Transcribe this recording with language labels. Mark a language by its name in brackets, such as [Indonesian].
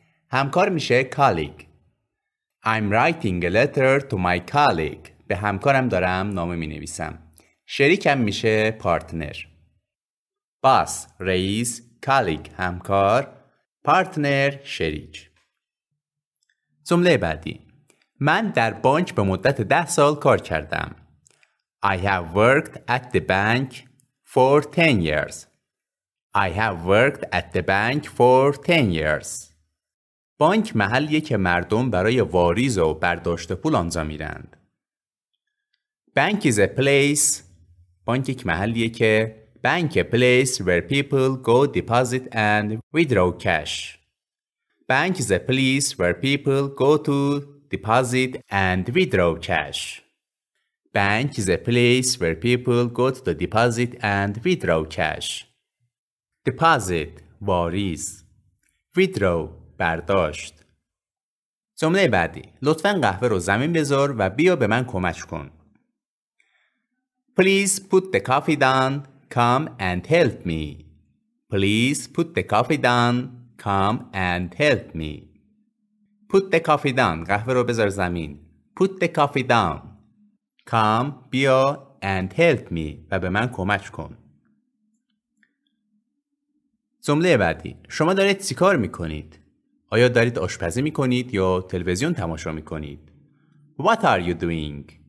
[Persian] همکار میشه colleague. [English] I'm writing a letter to my colleague. [Persian] به همکارم دارم نامه می نویسم. شریکم میشه پارتنر. باس، رئیس، کالیگ، همکار، پارتنر، شریک. جمله بعدی. من در بانک به مدت 10 سال کار کردم. [English] I have worked at the bank for 10 years. I have worked at the bank for 10 years. [Persian] بانک محلیه که مردم برای واریز و برداشت پول آنجا میرند. [English] Bank is a place. [Persian] بانک یک محلیه که [English] bank a place where people go deposit and withdraw cash. Bank is a place where people go to deposit and withdraw cash. Bank is a place where people go to deposit and withdraw cash. [Persian] Deposit واریز. Withdraw برداشت. جمله بعدی. لطفاً قهوه رو زمین بذار و بیا به من کمک کن. [English] Please put the coffee down, come and help me. Please put the coffee down, come and help me. Put the coffee down, [Persian] قهوه رو بذار زمین. [English] Put the coffee down. [Persian] Come, بیا [English] and help me [Persian] و به من کمک کن. جمله بعدی. شما دارید چیکار میکنید؟ آیا دارید آشپزی میکنید یا تلویزیون تماشا میکنید؟ [English] What are you doing?